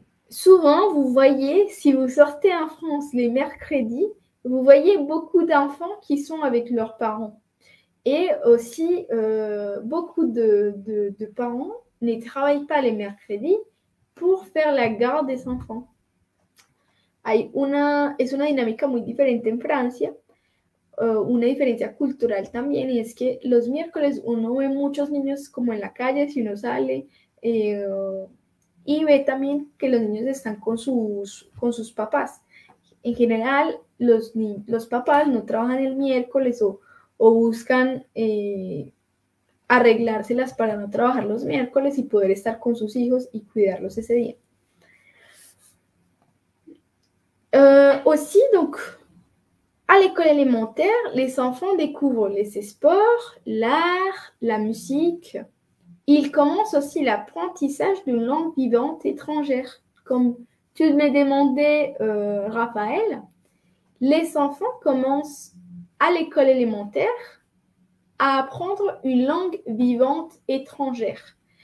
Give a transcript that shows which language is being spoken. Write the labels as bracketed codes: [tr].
[fr] Souvent, vous voyez, si vous sortez en France les mercredis, vous voyez beaucoup d'enfants qui sont avec leurs parents. Et aussi, beaucoup de parents ne travaillent pas les mercredis pour faire la garde des enfants. [es] Es una dinámica muy diferente en Francia, una diferencia cultural también, y es que los miércoles uno ve muchos niños como en la calle, si uno sale, y ve también que los niños están con sus papás. En general, los papás no trabajan el miércoles o buscan arreglárselas para no trabajar los miércoles y poder estar con sus hijos y cuidarlos ese día. [fr] Aussi, donc, à l'école élémentaire, les enfants découvrent les sports, l'art, la musique. Ils commencent aussi l'apprentissage d'une langue vivante étrangère. Comme tu m'as demandé, Raphaël, les enfants commencent à l'école élémentaire à apprendre une langue vivante étrangère.